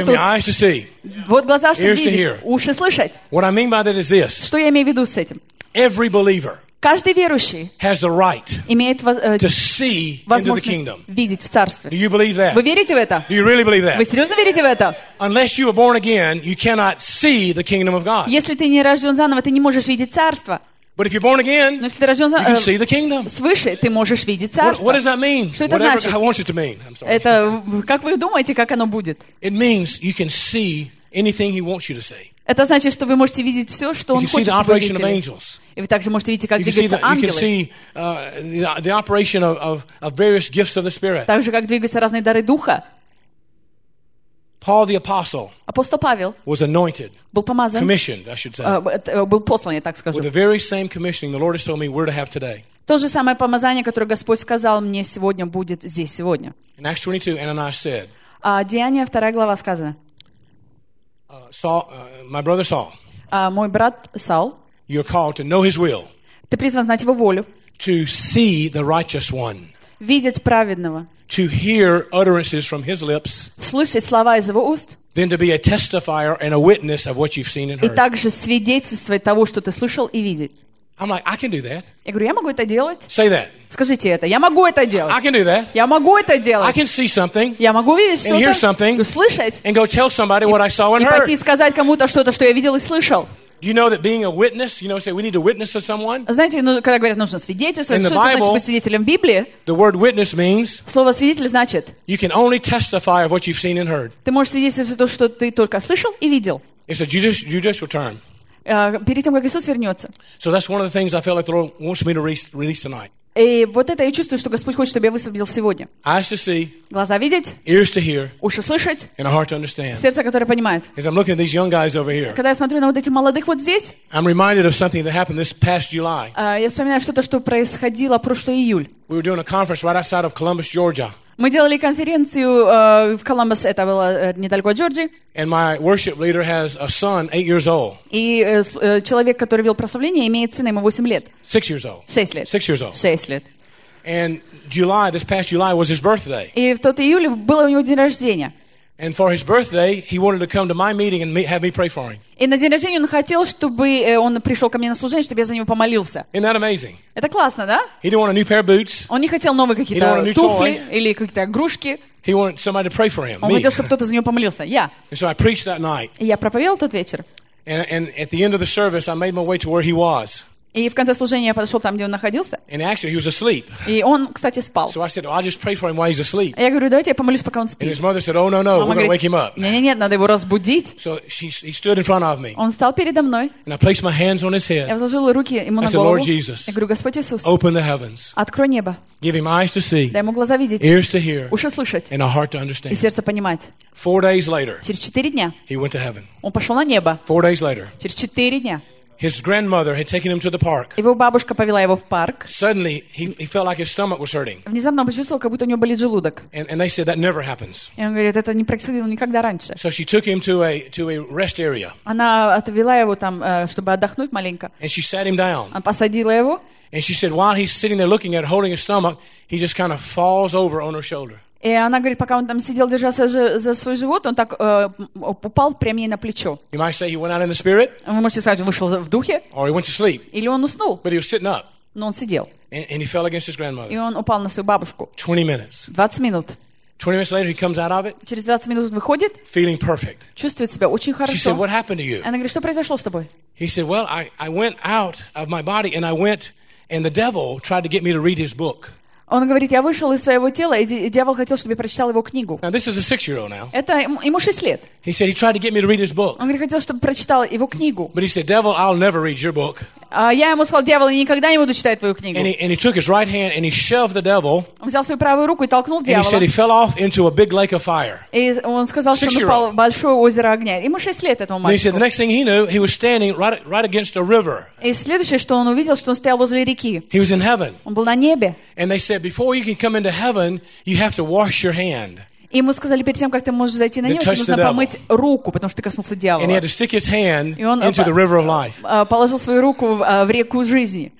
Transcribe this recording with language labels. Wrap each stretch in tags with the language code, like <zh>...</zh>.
<ru>тут.</ru> <en>Give me eyes to see.</en> <ru>Вот глаза, чтобы видеть, уши слышать.</ru> <en>What I mean by that is this.</en> <ru>Что я имею в виду с этим?</ru> <en>Every believer.</en> <ru>Каждый верующий</ru> <en>has the right</en> <ru>имеет</ru> <en>to see into the kingdom.</en> <ru>Видеть в царстве.</ru> <en>Do you believe that?</en> <ru>Вы верите в это?</ru> <en>Do you really believe that?</en> <ru>Вы серьезно верите в это?</ru> <en>Unless you are born again, you cannot see the kingdom of God.</en> <ru>Если ты не рожден заново, ты не можешь видеть царство.</ru> <en>But if you're born again,</en> <ru>но если ты рожден,</ru> <en>you can see the kingdom.</en> <ru>Свыше ты можешь видеть царство.</ru> <en>What does that mean?</en> <ru>Что это</ru> <en>Whatever</en> <ru>значит?</ru> <en>I want it to mean. I'm sorry.</en> <ru>Это как вы думаете, как оно будет?</ru> <en>It means you can see anything he wants you to see.</en> <ru>Это значит, что вы можете видеть все, что Он хочет, чтобы вы видели. И вы также можете видеть, как двигаются ангелы. Так же, как двигаются разные дары Духа.</ru> <en>Paul the Apostle</en> <ru>апостол Павел</ru> <en>was anointed,</en> <ru>был помазан,</ru> <en>commissioned, I should say,</en> <ru>был послан, я так скажу.</ru> <en>With the very same commissioning the Lord has told me we're to have today.</en> <ru>То же самое помазание, которое Господь сказал мне сегодня, будет здесь сегодня.</ru> <en>In Acts 22, Ananias said,</en> <ru>Деяния, 2 глава сказано,</ru> <en>Saul, my brother Saul.</en> <ru>Мой брат Саул.</ru> <en>You're called to know his will.</en> <ru>Ты призван знать его волю.</ru> <en>To see the righteous one.</en> <ru>Видеть праведного.</ru> <en>To hear utterances from his lips.</en> <ru>Слышать слова из его уст.</ru> <en>Then to be a testifier and a witness of what you've seen and heard.</en> <ru>И также свидетельствовать того, что ты слышал и видеть.</ru> <en>I'm like, I can do that.</en> <ru>Я говорю, я могу это делать.</ru> <en>Say that.</en> <ru>Скажите это. Я могу это делать.</ru> <en>I can do that.</en> <ru>Я могу это делать.</ru> <en>I can see something.</en> <ru>Я могу видеть что-то.</ru> <en>And hear something.</en> <ru>Услышать.</ru> <en>And go tell somebody what I saw and heard.</en> <ru>И пойти сказать кому-то что-то, что я видел и слышал.</ru> <en>You know that being a witness, you know, say we need to witness to someone.</en> <ru>Знаете, ну когда говорят, нужно свидетельствовать, что значит быть свидетелем в Библии?</ru> <en>The word witness means.</en> <ru>Слово свидетель значит.</ru> <en>You can only testify of what you've seen and heard.</en> <ru>Ты можешь свидетельствовать то, что ты только слышал и видел.</ru> <en>It's a judicial term.</en> <ru>Перед тем, как Иисус вернется.</ru> <en>So that's one of the things I feel like the Lord wants me to release tonight.</en> <ru>И вот это я чувствую, что Господь хочет, чтобы я высвободил сегодня.</ru> <en>Eyes to see.</en> <ru>Глаза видеть.</ru> <en>Ears to hear.</en> <ru>Уши слышать.</ru> <en>And a heart to understand.</en> <ru>Сердце, которое понимает.</ru> <en>As I'm looking at these young guys over here.</en> <ru>Когда я смотрю на вот этих молодых вот здесь.</ru> <en>I'm reminded of something that happened this past July.</en> <ru>Я вспоминаю что-то, что происходило прошлый июль.</ru> <en>We were doing a conference right outside of Columbus, Georgia.</en> <ru>Мы делали конференцию в Коламбус, это было недалеко от Джорджии.</ru> <en>And my worship leader has a son, 8 years old.</en> <ru>И человек, который вел прославление, имеет сына, ему 8 лет.</ru> <en>6 years old.</en> <ru>6 лет.</ru> <en>6 years old.</en> <ru>6 лет.</ru> <en>And July, this past July, was his birthday.</en> <ru>И в тот июль был у него день рождения.</ru> <en>And for his birthday, he wanted to come to my meeting and have me pray for him.</en> <ru>И на день рождения он хотел, чтобы он пришел ко мне на служение, чтобы я за него помолился.</ru> <en>Isn't that amazing?</en> <ru>Это классно, да?</ru> <en>He didn't want a new pair of boots.</en> <ru>Он не хотел новые какие-то туфли или какие-то игрушки.</ru> <en>He wanted somebody to pray for him.</en> <ru>Он хотел, чтобы кто-то за него помолился. Я.</ru> <en>And so I preached that night.</en> <ru>И я проповедовал тот вечер.</ru> <en>And at the end of the service, I made my way to where he was.</en> <ru>И в конце служения я подошел там, где он находился.</ru> <en>And actually, he was asleep.</en> <ru>И он, кстати, спал.</ru> <en>So I said, I'll just pray for him while he's asleep.</en> <ru>Я говорю, давайте я помолюсь, пока он спит.</ru> <en>And his mother said, oh, no, no, we're going to wake him up.</en> <ru>Нет, надо его разбудить.</ru> <en>So he stood in front of me.</en> <ru>Он стал передо мной.</ru> <en>And I placed my hands on his head.</en> <ru>Я возложил руки ему на</ru> <en>голову. I said, Lord Jesus,</en> <ru>я говорю, Господь Иисус,</ru> <en>open the heavens.</en> <ru>Открой небо.</ru> <en>Give him eyes to see.</en> <ru>Дай ему глаза видеть.</ru> <en>Ears to hear.</en> <ru>Уши слышать.</ru> <en>And a heart to understand.</en> <ru>И сердце понимать.</ru> <en>4 days later.</en> <ru>Через 4 дня.</ru> <en>He went to heaven.</en> <ru>Он пошел на небо.</ru> <en>4 days later.</en> <ru>Через 4 дня.</ru> <en>His grandmother had taken him to the park.</en> <ru>Его бабушка повела его в парк.</ru> <en>Suddenly, he felt like his stomach was hurting.</en> <ru>Внезапно он почувствовал, как будто у него болит желудок.</ru> <en>And they said that never happens.</en> <ru>И он говорит, это не происходило никогда раньше.</ru> <en>So she took him to a rest area.</en> <ru>Она отвела его там, чтобы отдохнуть маленько.</ru> <en>And she sat him down.</en> <ru>Она посадила его.</ru> <en>And she said, while he's sitting there looking at her, holding his stomach, he just kind of falls over on her shoulder.</en> <ru>И она говорит, пока он там сидел, держался за свой живот, он так упал прямо ей на плечо.</ru> <en>You might say he went out in the spirit,</en> <ru>вы можете сказать, он вышел в духе.</ru> <en>Or he went to sleep.</en> <ru>Или он уснул.</ru> <en>But he was sitting up,</en> <ru>но он сидел.</ru> <en>And he fell against his grandmother.</en> <ru>И он упал на свою бабушку.</ru> <en>20 minutes.</en> <ru>20 минут.</ru> <en>20 minutes later, he comes out of it.</en> <ru>Через 20 минут он выходит.</ru> <en>Feeling perfect.</en> <ru>Чувствует себя очень хорошо.</ru> <en>She said, what happened to you?</en> <ru>Она говорит, что произошло с тобой?</ru> <en>He said, well, I went out of my body and I went, and the devil tried to get me to read his book.</en> <ru>Он говорит, я вышел из своего тела, и дьявол хотел, чтобы я прочитал его книгу.</ru> <en>Now, this is a 6-year-old now.</en> <ru>Это ему 6 лет.</ru> <en>He said he tried to get me to read his book.</en> <ru>Он говорит, хотел, чтобы прочитал его книгу.</ru> <en>But he said, devil, I'll never read your book.</en> <ru>Я ему сказал, дьявол, я никогда не буду читать твою книгу.</ru> <en>And he took his right hand and he shoved the devil.</en> <ru>Он взял свою правую руку и толкнул дьявола.</ru> <en>And he said he fell off into a big lake of fire.</en> <ru>И он сказал, что он упал в большое озеро огня. Ему 6 лет этому мальчику.</ru> <en>And he said the next thing he knew, he was standing right against a river.</en> <ru>И следующее, что он увидел, что он стоял возле реки.</ru> <en>He was in heaven.</en> <ru>Он был на небе.</ru> <en>And they said, before you can come into heaven, you have to wash your hand.</en> <ru>И ему сказали, перед тем, как ты можешь зайти на небо, тебе нужно помыть руку, потому что ты коснулся дьявола. И он положил свою руку в реку жизни.</ru>